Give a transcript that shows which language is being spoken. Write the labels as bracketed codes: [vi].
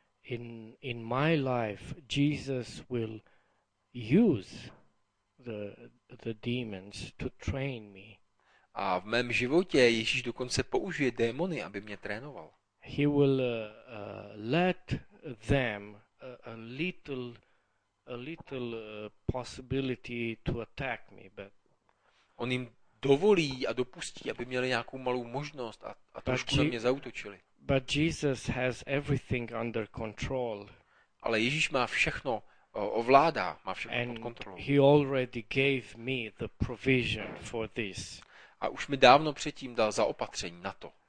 [en] And in my life Jesus will use the demons to train me. [cs] A v mém životě Ježíš dokonce použije démony, aby mě trénoval. [en] He will let them a little possibility to attack me, but [cs] on jim dovolí a dopustí, aby měli nějakou malou možnost a trošku na mě zaútočili. [en] But Jesus has everything under control. [cs] Ale Ježíš má všechno ovládá, má všechno [en] and [cs] pod kontrolou. [en] He already gave me the provision for this. [cs] A už mi dávno předtím dal zaopatření na to.